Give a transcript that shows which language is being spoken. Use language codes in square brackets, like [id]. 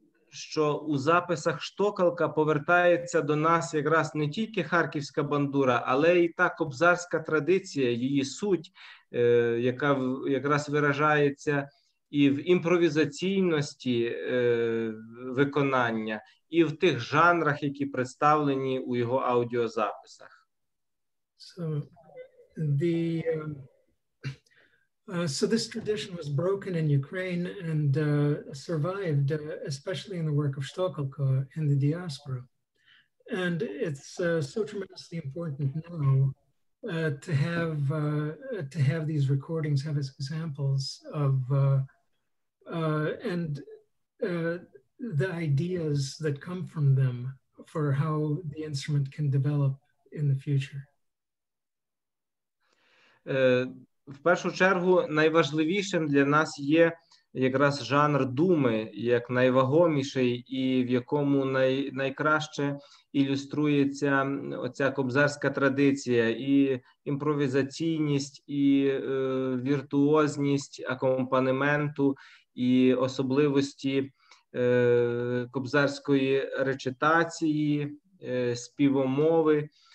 [uk] що у записах Штокалка повертається до нас якраз не тільки харківська бандура, але і та кобзарська традиція, її суть, яка якраз виражається і в імпровізаційності виконання, і в тих жанрах, які представлені у його аудіозаписах. [en] So the so this tradition was broken in Ukraine and survived, especially in the work of Shtokalko in the diaspora. And it's so tremendously important now to have these recordings, have examples of the ideas that come from them for how the instrument can develop in the future. [uk] В першу чергу найважливішим для нас є якраз жанр думи, як найвагоміший і в якому найкраще ілюструється оця кобзарська традиція і імпровізаційність, і віртуозність акомпанементу, і особливості кобзарської речитації, співомови.